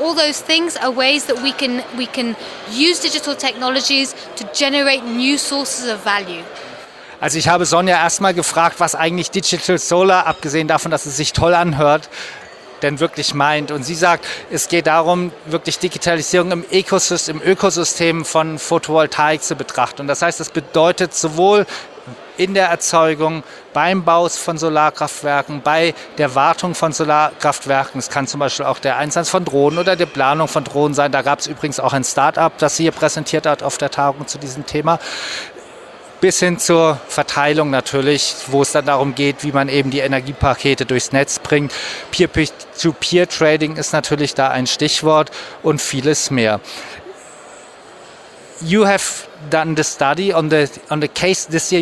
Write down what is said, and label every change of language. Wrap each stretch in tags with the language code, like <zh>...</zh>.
<en>All those things are ways that we can use digital technologies to generate new sources of value.</en> <de>Also ich habe Sonja erstmal gefragt, was eigentlich Digital Solar, abgesehen davon, dass es sich toll anhört, denn wirklich meint. Und sie sagt, es geht darum, wirklich Digitalisierung im Ökosystem von Photovoltaik zu betrachten. Und das heißt, das bedeutet sowohl in der Erzeugung, beim Bau von Solarkraftwerken, bei der Wartung von Solarkraftwerken. Es kann zum Beispiel auch der Einsatz von Drohnen oder die Planung von Drohnen sein. Da gab es übrigens auch ein Startup, das sie hier präsentiert hat auf der Tagung zu diesem Thema. Bis hin zur Verteilung natürlich, wo es dann darum geht, wie man eben die Energiepakete durchs Netz bringt. Peer-to-Peer-Trading ist natürlich da ein Stichwort und vieles mehr.</de> <en>You have done the study on the case this year.</en>